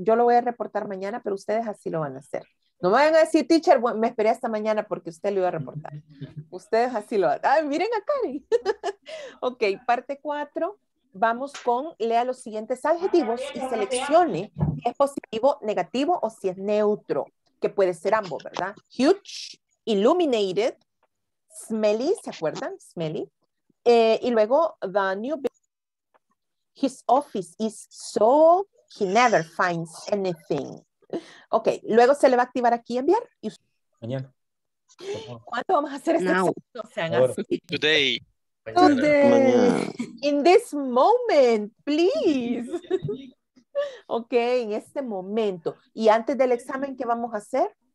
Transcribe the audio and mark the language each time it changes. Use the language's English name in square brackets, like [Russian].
[Spanish] Yo lo voy a reportar mañana, pero ustedes así lo van a hacer. No me van a decir, teacher, me esperé hasta mañana porque usted lo iba a reportar. Ustedes así lo van a hacer. Ay, miren a Karen. Ok, parte 4. Vamos con, lea los siguientes adjetivos y seleccione si es positivo, negativo o si es neutro, que puede ser ambos, ¿verdad? [English] Huge, illuminated, smelly, [Spanish] ¿se acuerdan? [English] Smelly. [Spanish] Y luego, [English] the new building, his office is so, he never finds anything. [Spanish] Ok, luego se le va a activar aquí enviar. Y... mañana. ¿Cuándo vamos a hacer este examen? No sean así. Today. [English] Today. In this moment, please. Ok, [Spanish] en este momento. Y antes del examen, ¿qué vamos a hacer?